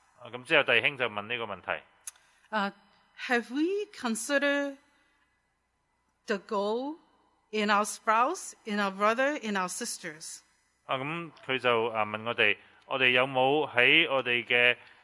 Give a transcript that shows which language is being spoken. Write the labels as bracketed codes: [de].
[yue] 啊，咁之后弟兄就问呢个问题。 [en] Have we considered the goal in our spouse, in our brother, in our sisters? [yue] 啊，咁佢就啊问我哋，我哋有冇喺我哋嘅？